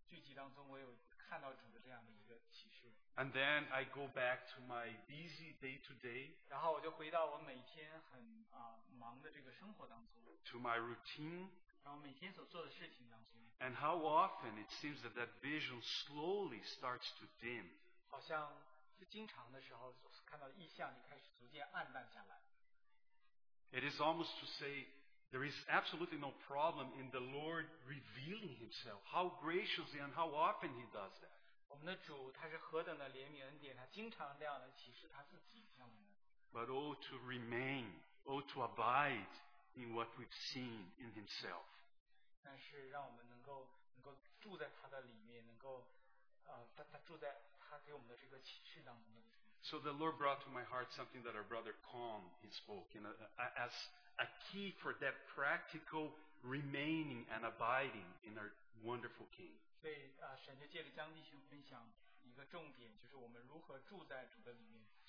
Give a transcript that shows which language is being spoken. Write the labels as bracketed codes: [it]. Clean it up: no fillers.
[zh] 很多时候在特会或在一些聚集当中，我有看到主的这样的一个启示。 [en] And then I go back to my busy day-to-day. [zh] 然后我就回到我每天很忙的这个生活当中。 [en] To my routine. [zh] 然后每天所做的事情当中。 [en] And how often it seems that that vision slowly starts to dim. [zh] 好像经常的时候看到意象就开始逐渐暗淡下来。 [en] It is almost to say, There is absolutely no problem in the Lord revealing himself, how graciously and how often he does that. [zh] 我们的主他是何等的怜悯恩典，他经常这样的启示他自己向我们。 [en] But oh to remain, oh to abide in what we've seen in himself. [zh] 但是让我们能够住在他的里面，能够他住在他给我们的这个启示当中。 [en] So the Lord brought to my heart something that our brother Kong had spoken as a key for that practical remaining and abiding in our wonderful King. [zh] 所以神就借着江弟兄分享一个重点，就是我们如何住在主的里面。